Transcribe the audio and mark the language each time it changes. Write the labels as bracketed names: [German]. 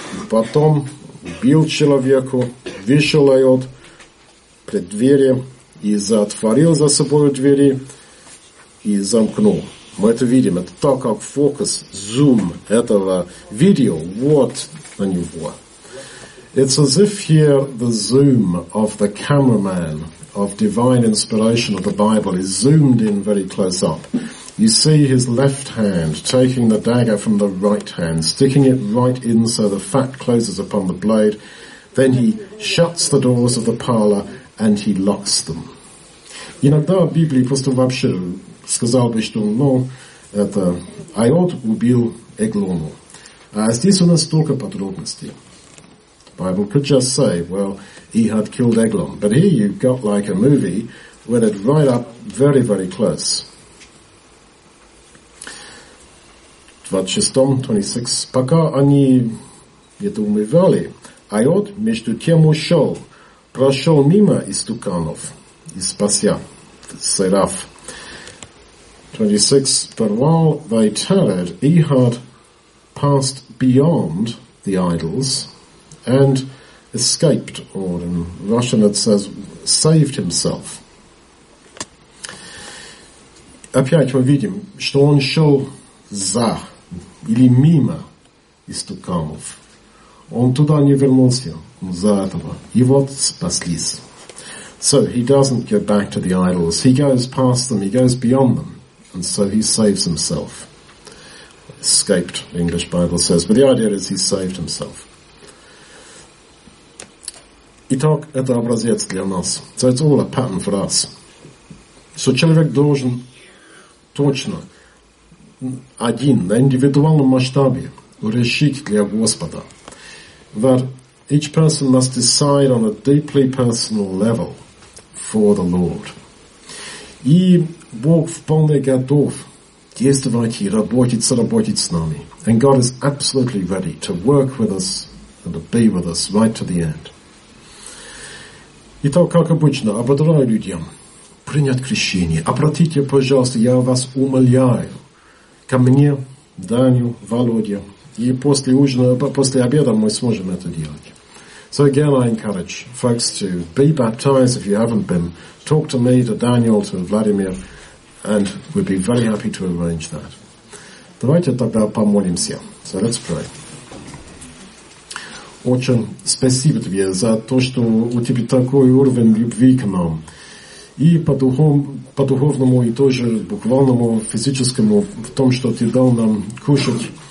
[Russian] Потом убил человеку, вышел от двери и затворил за собой двери и замкнул. Мы это видим. Это так, как фокус, зум этого видео. Вот на него. [English] It's as if here the zoom of the cameraman of divine inspiration of the Bible is zoomed in very close up. You see his left hand taking the dagger from the right hand, sticking it right in so the fat closes upon the blade. Then he shuts the doors of the parlour and he locks them. [Russian] Иногда в Библии просто вообще сказал бы, что, ну, это Айот убил Эглону. А здесь у нас столько подробностей. [English] The Bible could just say, well, he had killed Eglon. But here you've got like a movie with it right up very, very close. [Russian] 26. Пока они это умывали, Айот между тем ушел, прошел мимо истуканов и спася Сераф. [English] 26. But while they tarried, Ehud passed beyond the idols and escaped, or in Russian it says, saved himself. [Russian] Опять мы видим, что он шел за или мимо истуканов. Он туда не вернулся, за этого. И вот спаслись. [English] So he doesn't get back to the idols. He goes past them, he goes beyond them. And so he saves himself. Escaped, the English Bible says. But the idea is he saved himself. [Russian] Итак, это образец для нас. [English] So it's all a pattern for us. [Russian] So человек должен точно один, на индивидуальном масштабе, решить для Господа. [English] That each person must decide on a deeply personal level for the Lord. [Russian] И Бог вполне готов действовать и работать, соработать с нами. [English] And God is absolutely ready to work with us and to be with us right to the end. [Russian] Итак, как обычно, ободраю людям принять крещение. Обратите, пожалуйста, я вас умоляю, ко мне, Даню, Володе. И после ужина, после обеда мы сможем это делать. [English] So again, I encourage folks to be baptized if you haven't been. Talk to me, to Daniel, to Vladimir, and we'd be very happy to arrange that. [Russian] Давайте тогда помолимся. [English] So let's pray. [Russian] Отче, спасибо тебе за то, что у тебя такой уровень любви к нам. И по духовному, и тоже буквальному, физическому, в том, что ты дал нам кушать.